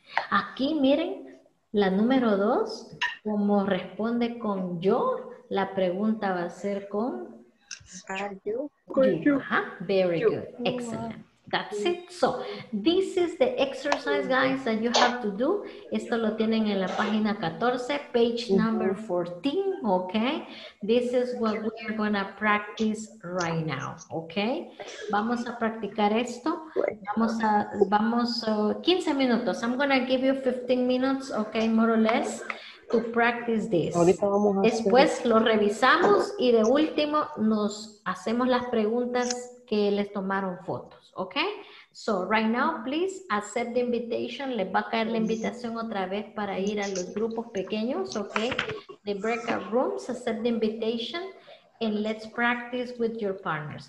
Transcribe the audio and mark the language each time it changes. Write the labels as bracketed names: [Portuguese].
[Spanish] Aquí miren la número dos, como responde con yo, la pregunta va a ser con [English] are you? Very good, excellent. That's it. So, this is the exercise, guys, that you have to do. [Spanish] Esto lo tienen en la página 14, page number 14, okay? [English] This is what we are going to practice right now, okay? [Spanish] Vamos a practicar esto. Vamos 15 minutos. [English] I'm going to give you 15 minutes, okay, more or less. to practice this. [Spanish] Después lo revisamos y de último nos hacemos las preguntas que les tomaron fotos, ¿ok? [English] So, right now, please accept the invitation. [Spanish] Les va a caer la invitación otra vez para ir a los grupos pequeños, ¿ok? [English] The breakout rooms, accept the invitation and let's practice with your partners.